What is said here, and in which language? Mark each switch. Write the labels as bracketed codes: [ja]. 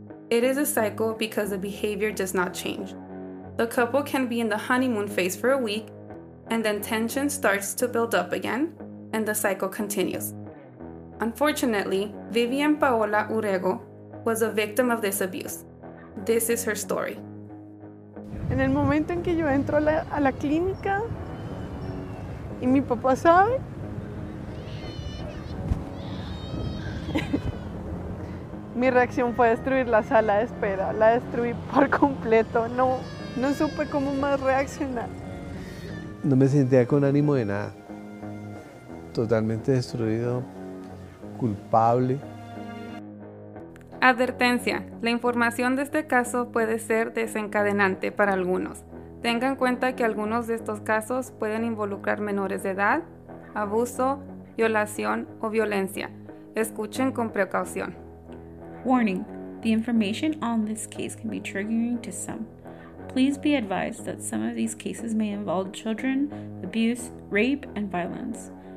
[en] It is a cycle because the behavior does not change. The couple can be in the honeymoon phase for a week, and then tension starts to build up again, and the cycle continues. Unfortunately, Viviam Paola Urrego was a victim of this abuse. This is her story. [es] En el momento en que yo entro a la clínica y mi papá sabe, mi reacción fue destruir la sala de espera, la destruí por completo, no supe cómo más reaccionar. No me sentía con ánimo de nada, totalmente destruido, culpable. Advertencia, la información de este caso puede ser desencadenante para algunos. Tengan en cuenta que algunos de estos casos pueden involucrar menores de edad, abuso, violación o violencia. Escuchen con precaución. [en] Warning, the information on this case can be triggering to some. Please be advised that some of these cases may involve children, abuse, rape, and violence.